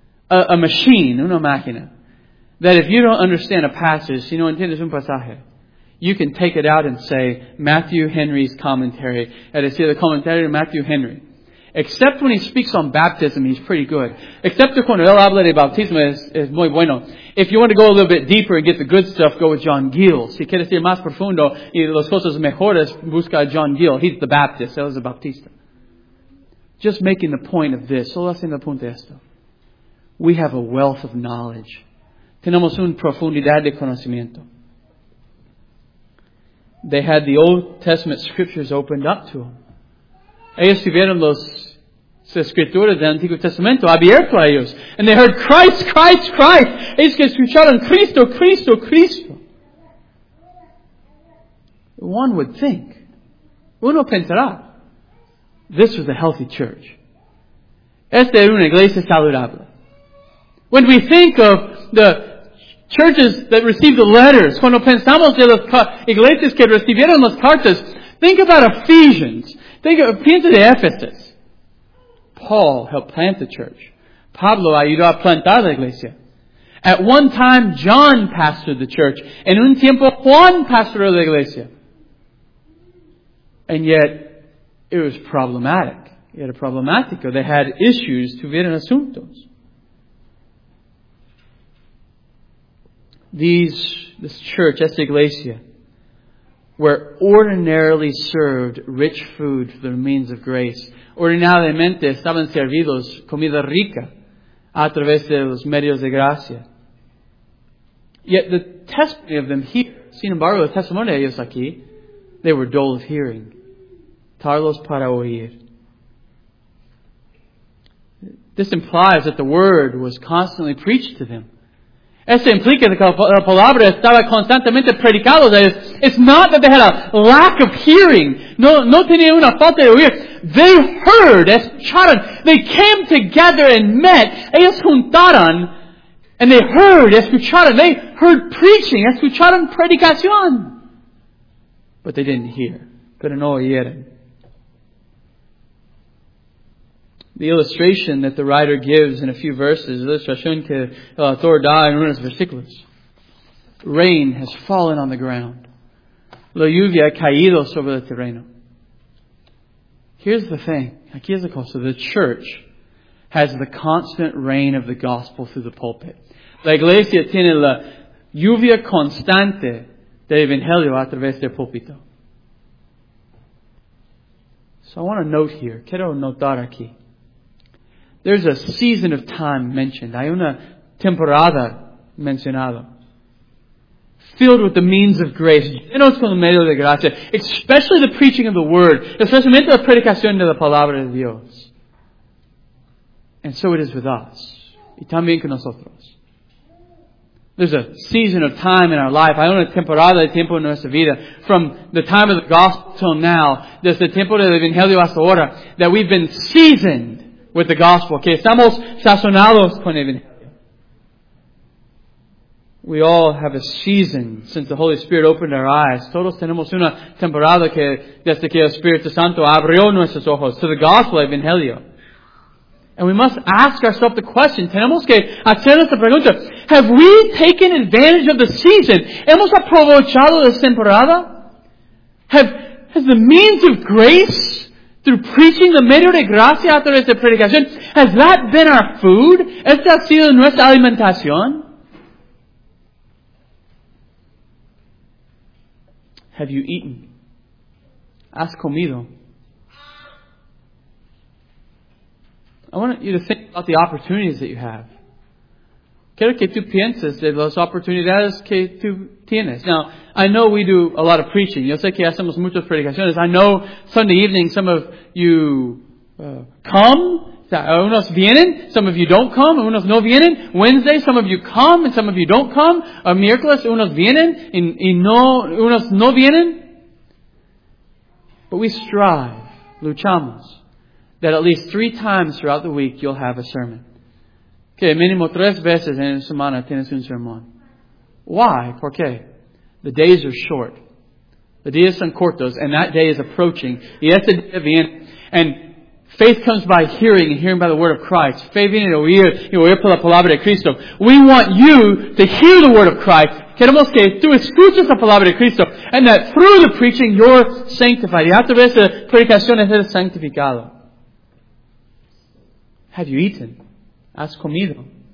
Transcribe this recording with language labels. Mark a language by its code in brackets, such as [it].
[en] A machine, [es] una máquina, [en] that if you don't understand a passage, [es] si no entiendes un pasaje, [en] you can take it out and say, Matthew Henry's commentary, and it's the commentary of Matthew Henry. Except when he speaks on baptism, he's pretty good. [es] Excepto cuando él habla de bautismo, es muy bueno. [en] If you want to go a little bit deeper and get the good stuff, go with John Gill. [es] Si quieres ir más profundo y las cosas mejores, busca a John Gill. [en] He's the Baptist. [es] Él es el Bautista. [en] Just making the point of this. [es] Solo haciendo el punto de esto. [en] We have a wealth of knowledge. [es] Tenemos una profundidad de conocimiento. [en] They had the Old Testament scriptures opened up to them. [es] Ellos tuvieron las escrituras del Antiguo Testamento abierto a ellos. [en] And they heard Christ, Christ, Christ. [es] Ellos que escucharon Cristo, Cristo, Cristo. [en] One would think, [es] uno pensará, [en] this was a healthy church. [es] Esta era una iglesia saludable. [en] When we think of the churches that received the letters, [es] cuando pensamos de las iglesias que recibieron las cartas, [en] think about Ephesians. [es] Piensa de Ephesus. [en] Paul helped plant the church. [es] Pablo ayudó a plantar la iglesia. [en] At one time, John pastored the church. [es] En un tiempo, Juan pastoreó la iglesia. [en] And yet, it was problematic. [es] Era problemático. [en] They had issues, [es] tuvieron asuntos. [en] This church, [es] esta iglesia, [en] were ordinarily served rich food for the means of grace. [es] Ordinariamente estaban servidos comida rica a través de los medios de gracia. [en] Yet the testimony of them here, [es] sin embargo, el testimonio de ellos aquí, [en] they were dull of hearing. [es] Tardos para oír. [en] This implies that the word was constantly preached to them. [es] Eso implica que la palabra estaba constantemente predicada. [en] It's not that they had a lack of hearing. [es] No tenían una falta de oír. [en] They heard, [es] escucharon. [en] They came together and met. [es] Ellos juntaron. [en] And they heard, [es] escucharon. [en] They heard preaching, [es] escucharon predicación. [en] But they didn't hear. [es] Pero no oyeron. [en] The illustration that the writer gives in a few verses, illustration [es] que el autor da en unos versículos. [en] Rain has fallen on the ground. [es] La lluvia ha caído sobre el terreno. [en] Here's the thing. [es] Aquí es la cosa. [en] The church has the constant rain of the gospel through the pulpit. [es] La iglesia tiene la lluvia constante del evangelio a través del púlpito. [en] So I want to note here. [es] Quiero notar aquí. [en] There's a season of time mentioned. [es] Hay una temporada mencionada. [en] Filled with the means of grace. [es] Llenos con el medio de gracia. [en] Especially the preaching of the word. [es] Especialmente la predicación de la palabra de Dios. [en] And so it is with us. [es] Y también con nosotros. [en] There's a season of time in our life. [es] Hay una temporada de tiempo en nuestra vida. [en] From the time of the gospel till now. [es] Desde el tiempo del evangelio hasta ahora. [en] That we've been seasoned with the gospel. [es] Que estamos sazonados con el evangelio. [en] We all have a season since the Holy Spirit opened our eyes. [es] Todos tenemos una temporada que desde que el Espíritu Santo abrió nuestros ojos [en] to the gospel, [es] evangelio. [en] And we must ask ourselves the question, [es] tenemos que hacernos la pregunta, [en] have we taken advantage of the season? [es] ¿Hemos aprovechado la temporada? [en] Has the means of grace through preaching the [es] medio de gracia a través de predicación, [en] has that been our food? [es] ¿Esta ha sido nuestra alimentación? [en] Have you eaten? [es] ¿Has comido? [en] I want you to think about the opportunities that you have. [es] Quiero que tú pienses de las oportunidades que tú tienes. [en] Now, I know we do a lot of preaching. [es] Yo sé que hacemos muchas predicaciones. [en] I know Sunday evening some of you come. [es] Unos vienen. [en] Some of you don't come. [es] Unos no vienen. [en] Wednesday, some of you come and some of you don't come. [es] A miércoles, unos vienen unos no vienen. [en] But we strive. [es] Luchamos. [en] That at least three times throughout the week you'll have a sermon. [es] Que mínimo tres veces en la semana tienes un sermón. [en] Why? [es] ¿Por qué? [en] The days are short. The [es] días son cortos, and that day is approaching. Y ese día viene. [en] And faith comes by hearing, and hearing by the word of Christ. [es] Fe viene de oír, y oír por la palabra de Cristo. [en] We want you to hear the word of Christ. [es] Queremos que tú escuches la palabra de Cristo, [en] and that through the preaching you're sanctified. [es] Y a través de predicaciones eres sanctificado. [en] Have you eaten? [es] ¿Has comido?